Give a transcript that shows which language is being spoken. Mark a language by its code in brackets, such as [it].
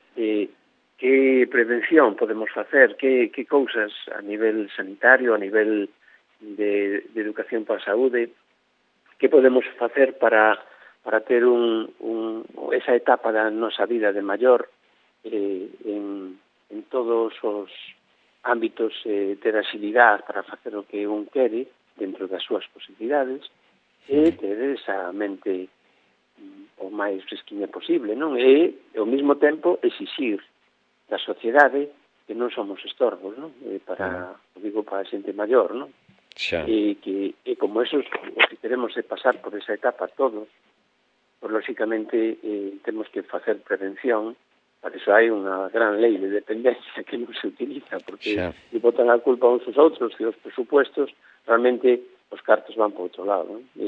[gl] Que prevención podemos facer, que cousas a nivel sanitario, a nivel de educación para a saúde, que podemos facer para ter un esa etapa da nosa vida de maior en todos os ámbitos ter axilidade para facer o que un quere dentro das súas posibilidades e ter esa mente o máis fresquinha posible, non? E, ao mesmo tempo, exixir da sociedade que non somos estorbos, non? Para, digo, para a xente maior, non? [es] Y como eso, si queremos pasar por esa etapa todos, pues lógicamente tenemos que hacer prevención. Para eso hay una gran ley de dependencia que no se utiliza, porque si botan la culpa unos a otros de los presupuestos, realmente los cartos van por otro lado, ¿no?